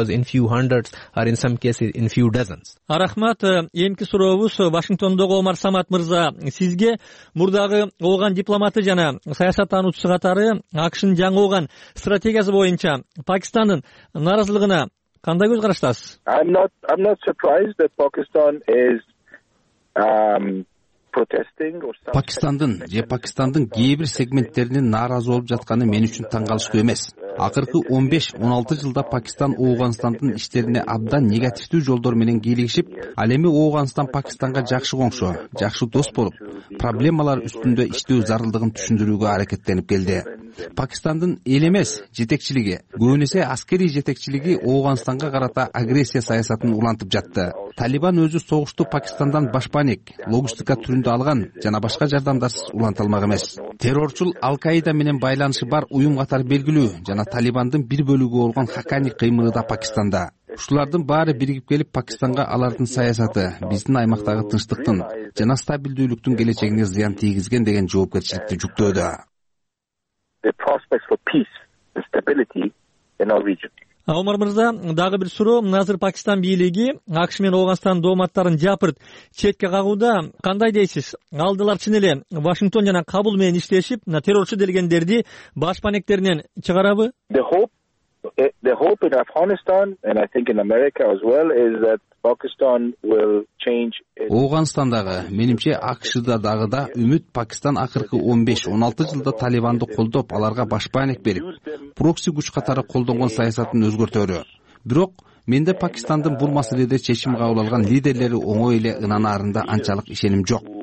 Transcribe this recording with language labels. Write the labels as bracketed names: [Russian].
[Kyrgyz] А рахмат, эмки сурообуз Вашингтондогу Омар Самат мырза сизге. Мурдагы Ооган дипломаты жана саясаттануучусу катары АКШнын жаңы Ооган стратегиясы боюнча Пакистандын нааразылыгына кандай көз караштасыз? [English] I'm not surprised that Pakistan is [Kyrgyz] Пакистандын же Пакистандын кээ бир сегменттеринин нааразы болуп жатканы мен үчүн таң калыштуу эмес. Акыркы 15-16 жылда Пакистан Ооганстандын иштерине абдан негативдүү жолдор менен кийлигишип, ал эми Ооганстан Пакистанга жакшы коңшу, жакшы дос болуп, проблемалар үстүндө иштөө зарылдыгын түшүндүрүүгө аракеттенип келди. Пакистандын эл эмес жетекчилиги, көбүн эсе аскерий жетекчилиги Ооганстанга карата агрессия саясатын улантып жатты. Талибан өзү согушту Пакистандан башпанек, логистика түрүндө алган жана башка жардамдарсыз уланта алмак эмес. Терорчул Ал-Каида менен байланышы бар уюм катары белгилүү жана Талибандын бир бөлүгү болгон Хакани кыймылы да Пакистанда. Ушулардын баары биригип келип Пакистанга алардын саясаты биздин аймактагы тынчтыктын жана стабилдүүлүктүн келечегине зыян тийгизген деген жоопкерчиликти жүктөөдө. [English] The prospects for peace and stability in our region. [Kyrgyz] Омар Мырза, дагы бир суроо. Азыр Пакистан бийлиги АКШ менен Ооганстан дооматтарын жапырт четке кагууда. Кандай дейсиз? Алдылар чын эле Вашингтон жана Кабул менен иштешип, террорчу делгендерди башпанектеринен чыгарабы? [English] The hope in Afghanistan and I think in America as well is that Pakistan will change. [Kyrgyz] Ооганстандагы, менимче АКШда дагы да үмүт Пакистан акыркы 15-16 жылда Талибанды колдоп, аларга башпанек берип, прокси күч катары колдонгон саясатын өзгөртөрү. Бирок менде Пакистандын бул маселеде чечим кабылган лидерлери оңой эле ынанарында анчалык ишеним жок.